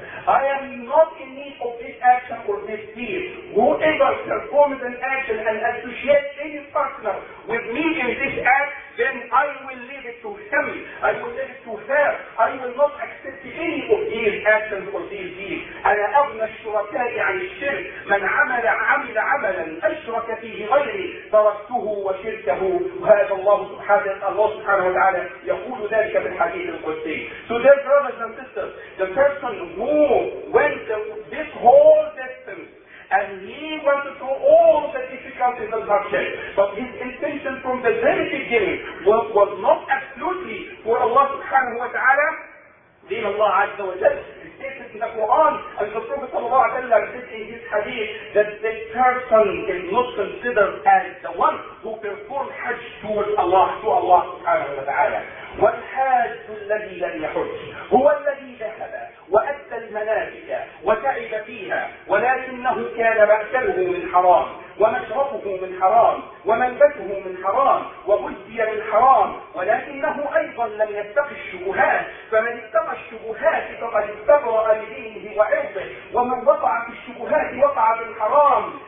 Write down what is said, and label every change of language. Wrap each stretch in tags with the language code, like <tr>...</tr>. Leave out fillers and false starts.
<en>I am not in need of this action or this deed. Whoever performs an action and associates any partner with me in this act, then I will leave it to him. I will leave it to her. I will not accept any of these actions or these deeds.</en> <ar>أنا أغنى الشركاء عن الشرك من عمل عملا أشرك فيه غيري تركته وشركه. وهذا الله سبحانه وتعالى يقول ذلك في الحديث القدسي.</ar> <en>So dear brothers and sisters, the person who went this whole distance and he went through all the difficulties and hardships, but his intention from the very beginning was not absolutely for Allah subhanahu wa ta'ala, then Allah azza wa jalla, he stated in the Quran, and the Prophet sallallahu alayhi wa sallam said in his hadith, that the person is not considered as the one who performed Hajj to Allah subhanahu wa ta'ala.</en> <ar>والحاج الذي لم يحج هو الذي ذهب وأتى المنازل وتعب فيها ولكنه كان مأكله من حرام ومشربه من حرام وملبسه من حرام وغذي من حرام ولكنه أيضا لم يتق الشبهات فمن اتقى الشبهات فقد استبرأ لدينه وعرضه ومن وقع في الشبهات وقع بالحرام.</ar>